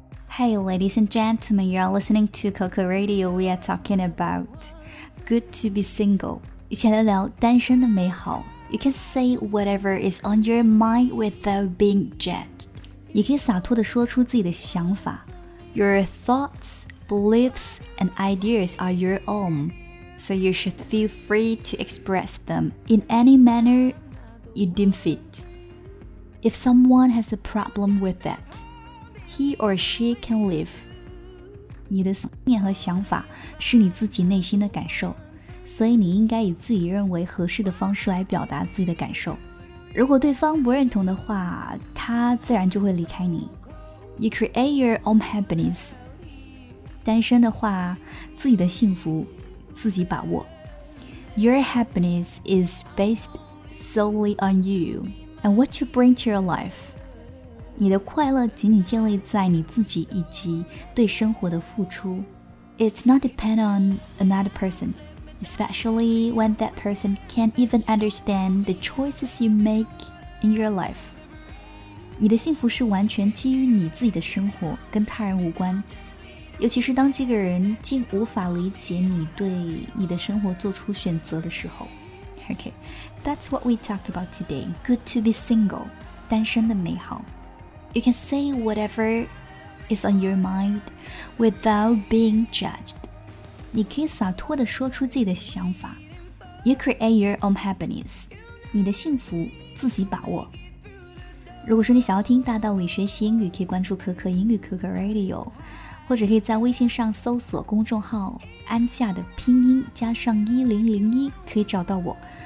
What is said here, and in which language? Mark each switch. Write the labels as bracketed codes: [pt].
[en] Hey, ladies and gentlemen, you are listening to Coco Radio. We are talking about good to be single. [zh] 一起来聊单身的美好。 [en] You can say whatever is on your mind without being judged. [zh] 你可以洒脱地说出自己的想法。 [en] Your thoughts, beliefs, and ideas are your own, so you should feel free to express them in any manner you deem fit. If someone has a problem with that,He or she can live. [zh] 你的思念和想法是你自己内心的感受，所以你应该以自己认为合适的方式来表达自己的感受。如果对方不认同的话，他自然就会离开你。 [en] You create your own happiness. [zh] 单身的话，自己的幸福自己把握。 [en] Your happiness is based solely on you and what you bring to your life. [zh] 你的快乐仅仅建立在你自己以及对生活的付出。 [en] It's not depend on another person, especially when that person can't even understand the choices you make in your life. [zh] 你的幸福是完全基于你自己的生活，跟他人无关。尤其是当这个人竟无法理解你对你的生活做出选择的时候。 [en] Okay, that's what we talk about today. Good to be single, [zh] 单身的美好。 [en] You can say whatever is on your mind without being judged. [zh] 你可以洒脱地说出自己的想法。 [en] You create your own happiness. [zh] 你的幸福自己把握。如果说你想要听大道理学习英语，可以关注可可英语可可 Radio， 或者可以在微信上搜索公众号安夏的拼音加上1001，可以找到我。